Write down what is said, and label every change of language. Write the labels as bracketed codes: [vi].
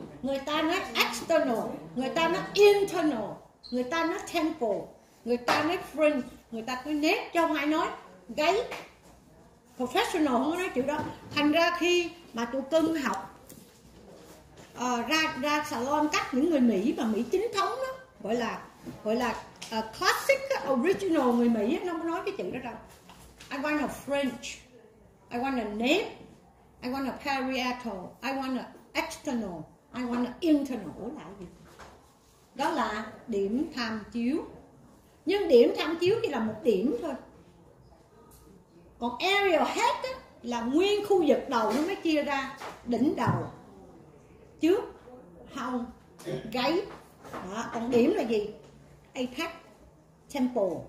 [vi] Người ta nói external, người ta nói internal, người ta nói temple, người ta nói fringe, người ta cứ nét cho ai nói gáy. Professional không có nói chữ đó. Thành ra khi mà tụi cưng học ra salon cắt, những người Mỹ và Mỹ chính thống đó, gọi là classic original người Mỹ, nó không có nói cái chữ đó đâu. [en] I want a fringe, I want a nape, I want a parietal, I want a external, I want a internal. [vi] Ủa là gì? Đó là điểm tham chiếu. Nhưng điểm tham chiếu chỉ là một điểm thôi. Còn aerial head á, là nguyên khu vực đầu, nó mới chia ra đỉnh đầu, trước, hông, gáy. Đó, còn điểm là gì? Apex, temple.